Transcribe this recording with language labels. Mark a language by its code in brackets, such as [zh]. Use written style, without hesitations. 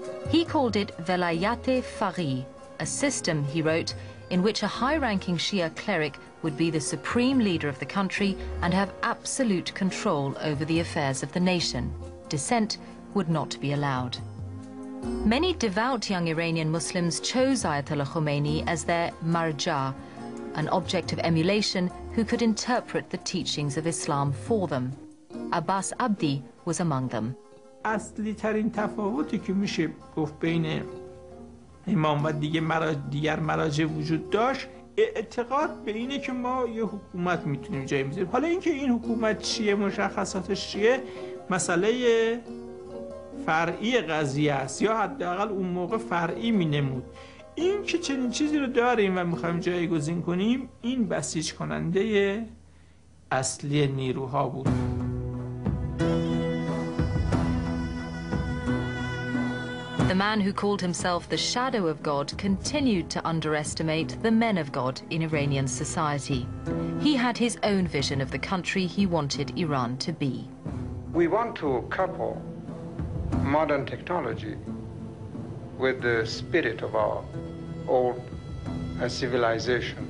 [en] He called it Velayate Fari, a system, he wrote, in which a high-ranking Shia cleric would be the supreme leader of the country and have absolute control over the affairs of the nation. Dissent would not be allowed. Many devout young Iranian Muslims chose Ayatollah Khomeini as their marja, an object of emulation who could interpret the teachings of Islam for them. Abbas Abdi was among them. [fa] اصلی‌ترین تفاوتی که میشه گفت بین امام و دیگر مراجع وجود داشت اعتقاد به اینه که ما یه حکومت میتونیم جای بذاریم. حالا اینکه این حکومت چیه، مشخصاتش چیه، مسئله فرعی قضیه است، یا حداقل اون موقع فرعی مینمود. این که چنین چیزی رو داریم و میخوایم جایگزین کنیم، این بسیج کننده اصلی نیروها بود. [en] The man who called himself the shadow of God continued to underestimate the men of God in Iranian society. He had his own vision of the country he wanted Iran to be. We want to couple modern technology with the spirit of our old civilization.